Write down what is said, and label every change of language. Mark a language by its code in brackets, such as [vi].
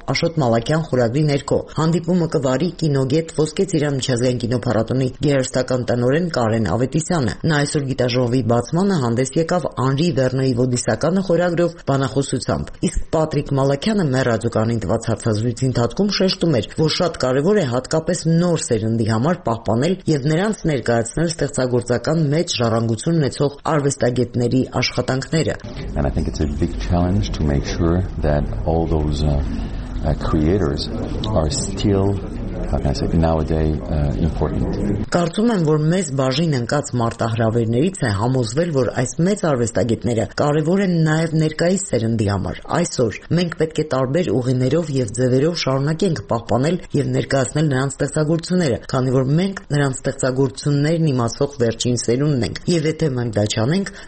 [hy] Աշոտ Մալաքյան խորագրի ներքո։ Հանդիպումը կվարի կինոգետ Ոսկե Ծիրան միջազգային կինոփառատոնի գերհրաշտական տնօրեն Կարեն Ավետիսյանը։ Նա այսօր գիտաժողովի բացմանը հանդես եկավ Անրի Վերնոյի ոդիսականը խորագրով բանախոսությամբ, իսկ Պատրիկ Մալաքյանը մեր ռադիոկայանին տված հարցազրույցի ընթացքում շեշտում էր, որ շատ կարևոր է հատկապես նոր սերնդի համար պահպանել և նրանց ներկայացնել ստեղծագործական մեծ ժառանգություն ունեցող արվեստագետների աշխատանքները։ [en] And I think it's a big challenge to make sure that all those creators are still, as I say, nowadays important. [hy] Կարծում եմ, որ մեզ բաժին ընկած մարտահրավերներից է համոզվել, որ այս մեծ արվեստագետները կարևոր են նաև ներկայիս սերնդի համար։ Այսօր մենք պետք է տարբեր ուղիներով եւ ձևերով շարունակենք պահպանել եւ ներկայացնել նրանց ստեղծագործությունները, քանի որ մենք նրանց ստեղծագործություններն իմացող վերջին սերունդն ենք։ Եվ եթե մենք դա չանենք,